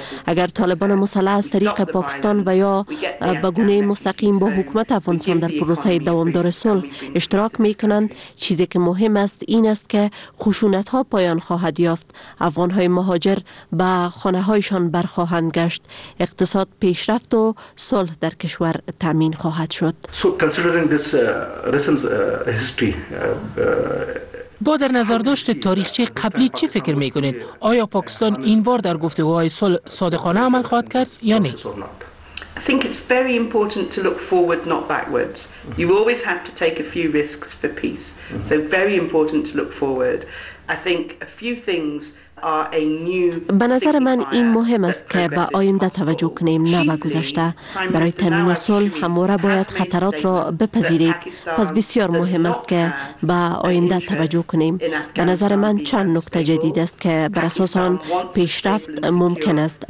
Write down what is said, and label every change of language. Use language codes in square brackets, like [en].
[fa] اگر طالبان مسلح از طریق پاکستان و یا به گونه مستقیم با حکومت افغانستان در پروسه دوامدار صلح اشتراک می کنند، چیزی که مهم است این است که خشونت ها پایان خواهد یافت، افغان های مهاجر به خانه هایشان برخواهند گشت، اقتصاد پیشرفت و صلح در کشور تامین خواهد شد. با در نظر داشت تاریخچه قبلی چی فکر می کنید؟ آیا پاکستان این بار در گفتگوهای صلح صادقانه عمل خواهد کرد یا نه؟ [en] I think it's very important to look forward not backwards. You always have to take a few risks for peace. So very important to look forward. I think a few things [fa] به نظر من این مهم است که به آینده توجه کنیم نه به گذشته. برای تامین صلح همواره باید خطرات را بپذیرید. پس بسیار مهم است که به آینده توجه کنیم. به نظر من چند نکته جدید است که بر اساس آن پیشرفت ممکن است.